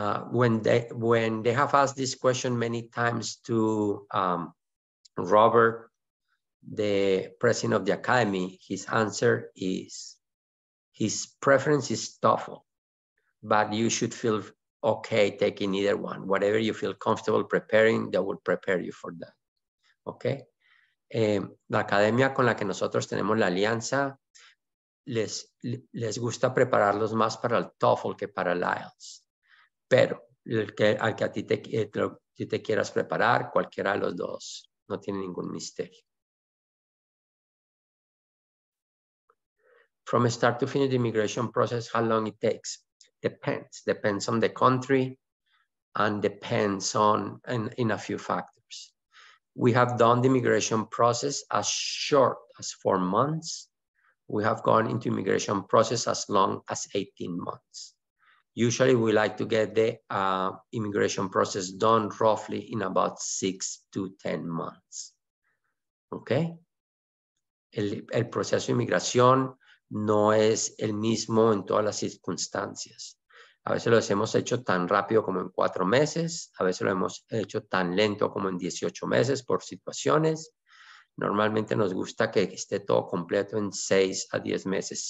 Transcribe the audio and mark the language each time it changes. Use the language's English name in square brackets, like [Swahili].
[English] When they have asked this question many times to Robert, the president of the academy, his answer is, his preference is TOEFL, but you should feel okay taking either one. Whatever you feel comfortable preparing, that will prepare you for that, okay? [Spanish] La academia con la que nosotros tenemos la alianza, les gusta prepararlos más para el TOEFL que para el IELTS. Pero al que tú te quieras preparar, cualquiera de los dos, no tiene ningún misterio. [English] From start to finish the immigration process, how long it takes? Depends on the country and depends on in a few factors. We have done the immigration process as short as 4 months. We have gone into immigration process as long as 18 months. Usually we like to get the immigration process done roughly in about 6 to 10 months. Okay? [Spanish] El proceso de inmigración no es el mismo en todas las circunstancias. A veces lo hemos hecho tan rápido como en 4 meses. A veces lo hemos hecho tan lento como en 18 meses por situaciones. Normalmente nos gusta que esté todo completo en 6 a 10 meses.